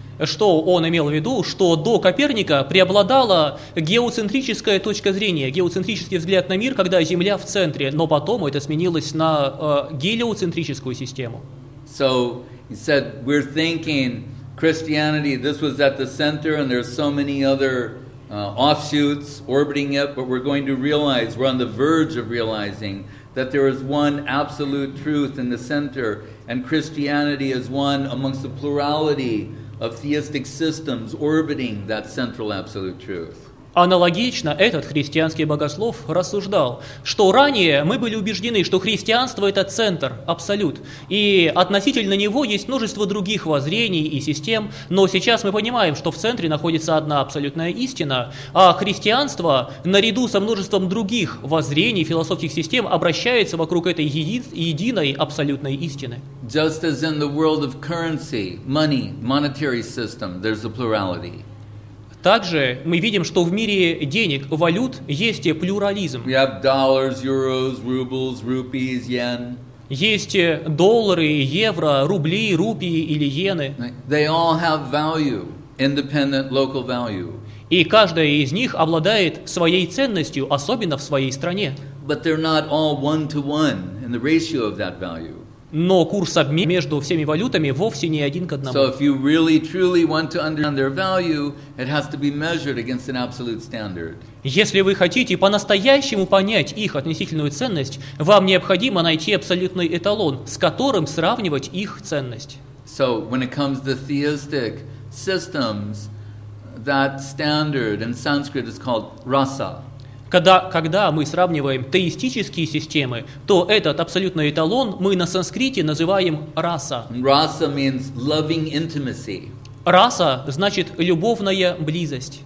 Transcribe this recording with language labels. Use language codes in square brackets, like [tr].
[ru] Что он имел в виду, что до Коперника преобладала геоцентрическая точка зрения, геоцентрический взгляд на мир, когда Земля в центре, но потом это сменилось на гелиоцентрическую систему. [en] So he said, we're thinking Christianity, this was at the center, and there's so many other offshoots orbiting it, but we're going to realize, we're on the verge of realizing that there is one absolute truth in the center, and Christianity is one amongst the plurality of theistic systems orbiting that central absolute truth. [ru] Аналогично этот христианский богослов рассуждал, что ранее мы были убеждены, что христианство — это центр, абсолют, и относительно него есть множество других воззрений и систем, но сейчас мы понимаем, что в центре находится одна абсолютная истина, а христианство, наряду со множеством других воззрений, философских систем, обращается вокруг этой единой абсолютной истины. [en] Just as in the world of currency, money, monetary system, there's a plurality. [ru] Также мы видим, что в мире денег, валют, есть плюрализм. [en] We have dollars, euros, rubles, rupees, yen. [ru] Есть доллары, евро, рубли, рупии или иены. [en] They all have value, independent local value. [ru] И каждая из них обладает своей ценностью, особенно в своей стране. [en] But they're not all one-to-one in the ratio of that value. [ru] Но курс обмена между всеми валютами вовсе не один к одному. [en] So if you really truly want to understand their value, it has to be measured against an absolute standard. [ru] Если вы хотите по-настоящему понять их относительную ценность, вам необходимо найти абсолютный эталон, с которым сравнивать их ценность. [en] So when it comes to theistic systems, that standard in Sanskrit is called rasa. [ru] Когда мы сравниваем теистические системы, то этот абсолютный эталон мы на санскрите называем раса. [en] Раса means loving intimacy. [ru] Раса значит любовная близость.